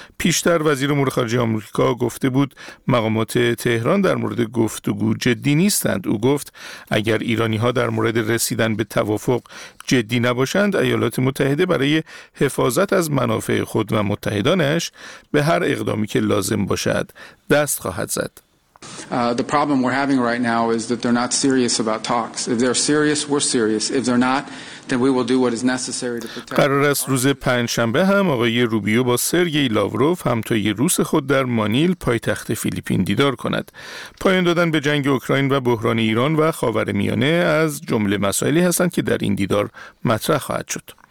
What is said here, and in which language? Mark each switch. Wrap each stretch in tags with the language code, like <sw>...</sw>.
<fa>پیشتر وزیر امور خارجه آمریکا گفته بود مقامات تهران در مورد گفتگو جدی نیستند. او گفت اگر ایرانی‌ها در مورد رسیدن به توافق جدی نباشند، ایالات متحده برای حفاظت از منافع خود و متحدانش به هر اقدامی که لازم باشد دست خواهد زد.</fa> <en>The problem we're having right now is that they're not serious about talks. If they're serious, we're serious. If they're not, then we will do what is necessary to protect.</en> <fa>قرار است روز پنجشنبه هم آقای روبیو با سرگئی لاوروف همتای روس خود در مانیل پایتخت فیلیپین دیدار کند. پایان دادن به جنگ اوکراین و بحران ایران و خاورمیانه از جمله مسائلی هستند که در این دیدار مطرح خواهد شد.</fa>